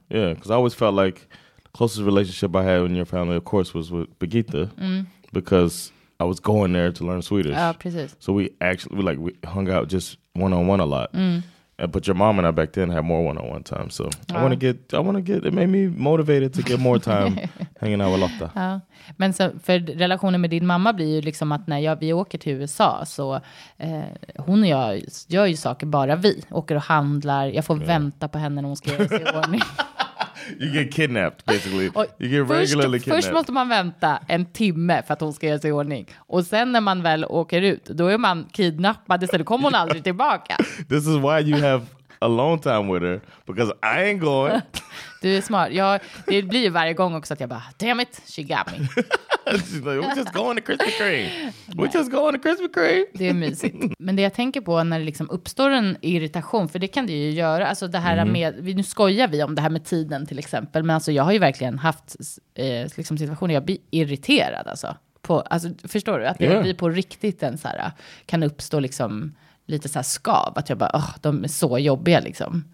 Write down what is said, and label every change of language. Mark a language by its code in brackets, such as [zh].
[en] Yeah, because I always felt like... Closest relationship I had in your family, of course, was with Birgitta, because I was going there to learn Swedish. [sv] Ah, precis. [en] So we hung out just one on one a lot. But your mom and I back then had more one on one time. So wow. I want to get. It made me motivated to get more time hanging out with Lotta. [sv] Ja. Men så för relationen med din mamma blir ju liksom att när vi åker till USA så hon och jag gör ju saker bara vi. Åker och handlar. Jag får vänta på henne när hon ska göra sig i ordning. [en] You get kidnapped, basically. You get regularly kidnapped. [sv] Först måste man vänta en timme för att hon ska göra sig i ordning. Och sen när man väl åker ut, då är man kidnappad. Istället kommer hon aldrig tillbaka. [en] This is why you have alone time with her because I ain't going. [sv] Du är smart. Jag, det blir varje gång också att jag bara, [en] damn it, she got me. She's like, we're just going to Krispy Kreme. We're just going to Krispy Kreme. [sv] Det är mysigt. Men det jag tänker på när det liksom uppstår en irritation, för det kan det ju göra, alltså det här med, nu skojar vi om det här med tiden till exempel, men alltså jag har ju verkligen haft liksom situationer jag blir irriterad alltså. På, alltså, förstår du? Att det blir på riktigt en så här, kan uppstå liksom lite så här skav, att jag bara, oh, de är så jobbiga liksom.